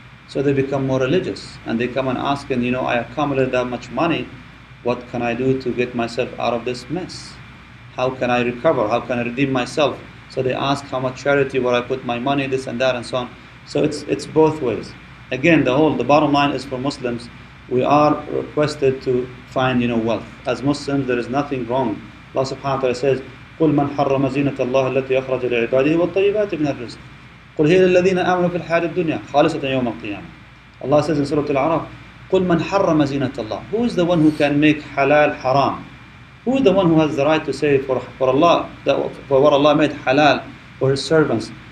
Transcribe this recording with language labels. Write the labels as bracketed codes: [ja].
[en] So they become more religious and they come and ask, and I accumulated that much money, what can I do to get myself out of this mess? How can I recover? How can I redeem myself? So they ask how much charity, where I put my money, this and that and so on. So it's both ways. Again, the bottom line is, for Muslims, we are requested to find wealth. As Muslims, there is nothing wrong. Allah subhanahu wa ta'ala says, [ar] قُلْ مَنْ حَرَّمَ زِينَةَ اللَّهِ الَّتِي أَخْرَجَ لِعِبَادِهِ وَالطَّيِّبَاتِ مِنَ الرِّزْقِ قُلْ هِيَ لِلَّذِينَ آمَنُوا فِي الْحَيَاةِ الدُّنْيَا خَالِصَةً يَوْمَ الْقِيَامَةِ. [en] Allah says in Surah Al-Araf, [ar] قُلْ مَنْ حَرَّمَ زِينَةَ اللَّهِ. [en] Who is the one who can make halal haram? Who is the one who has the right to say for Allah, for what Allah made halal for His servants?